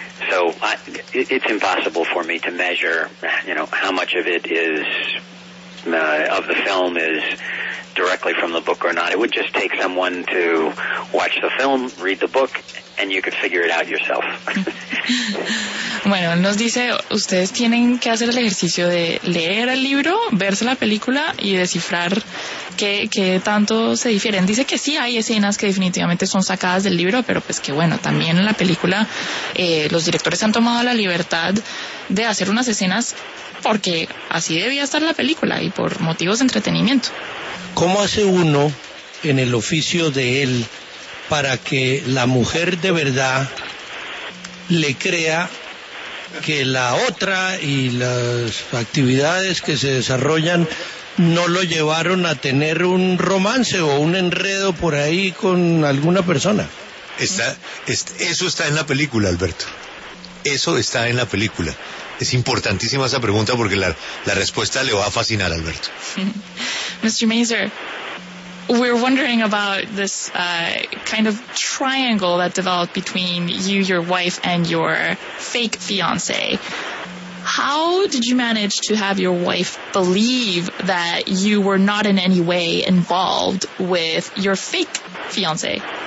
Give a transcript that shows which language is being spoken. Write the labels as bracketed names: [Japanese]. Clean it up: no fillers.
[English] So it's impossible for me to measure, you know, how much of it is of the film is directly from the book or not. It would just take someone to watch the film, read the book, and you could figure it out yourself. [Spanish] Bueno, nos dice, ustedes tienen que hacer el ejercicio de leer el libro, verse la película y descifrar qué tanto se difieren. Dice que sí hay escenas que definitivamente son sacadas del libro, pero pues que bueno, también en la película los directores han tomado la libertad de hacer unas escenas porque así debía estar la película y por motivos de entretenimiento. ¿Cómo hace uno en el oficio de él para que la mujer de verdad le crea que la otra y las actividades que se desarrollan no lo llevaron a tener un romance o un enredo por ahí con alguna persona. Eso está en la película, Alberto. Eso está en la película. Es importantísima esa pregunta porque la respuesta le va a fascinar, Alberto. [English] Mr. Mazur, we're wondering about this kind of triangle that developed between you, your wife, and your fake fiancé. How did you manage to have your wife believe that you were not in any way involved with your fake fiancé?